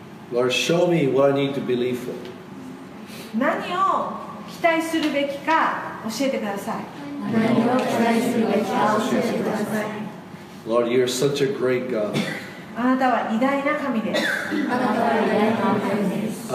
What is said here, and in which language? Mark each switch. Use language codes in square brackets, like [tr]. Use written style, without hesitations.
[en] Lord, show me what I need to believe for. [ja] 何を期待するべきか教えてください。何を期待するべきか教えてください。 [en] Lord, you're such a great God. [ja] あなたは偉大な神です。あなたは偉大な神です。